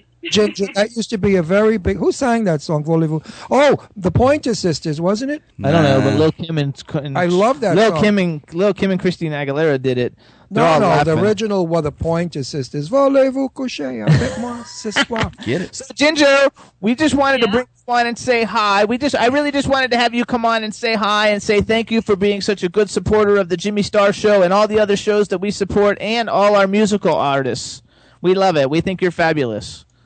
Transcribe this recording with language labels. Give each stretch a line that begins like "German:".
English: Ginger, that used to be a very big... Who sang that song, Voulez-vous? Oh, the Pointer Sisters, wasn't it? Nah. I don't know, but Lil' Kim and... I love that Lil' song. Lil' Kim and Christina Aguilera did it. No, laughing. The original were the Pointer Sisters.
French: Voulez-vous coucher avec moi ce soir?
English: Get it. So, Ginger, we just wanted to bring you on and say hi. I really just wanted to have you come on and say hi and say thank you for being such a good supporter of the Jimmy Star Show and all the other shows that we support and all our musical artists. We love it. We think you're fabulous.